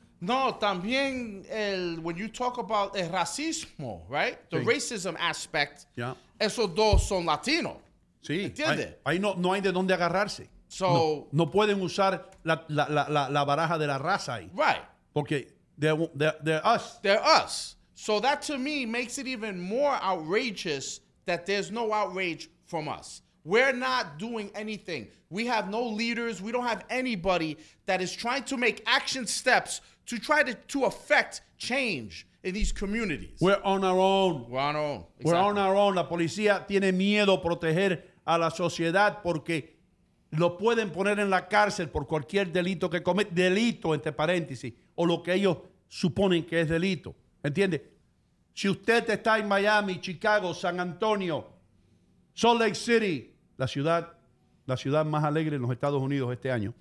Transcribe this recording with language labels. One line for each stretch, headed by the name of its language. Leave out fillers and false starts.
Spanish: No, también,
English: when you talk about el racismo, right? The racism aspect. Yeah.
Spanish: Esos dos son latinos. Sí. ¿Entiendes? Ahí no hay de dónde agarrarse.
English: So,
Spanish: no pueden usar la baraja de la raza ahí.
English: Right. Porque they're us. They're us. So that to me makes it even more outrageous that there's no outrage from us. We're not doing anything. We have no leaders. We don't have anybody that is trying to make action steps to try to affect change in these communities. We're on our own. We're on our own. Exactly. We're on our own.
Spanish: La policía tiene miedo a proteger a la sociedad porque lo pueden poner en la cárcel por cualquier delito que comete, delito entre paréntesis, o lo que ellos suponen que es delito. ¿Entiende? Si usted está en Miami, Chicago, San Antonio, Salt Lake City, la ciudad más alegre en los Estados Unidos este año.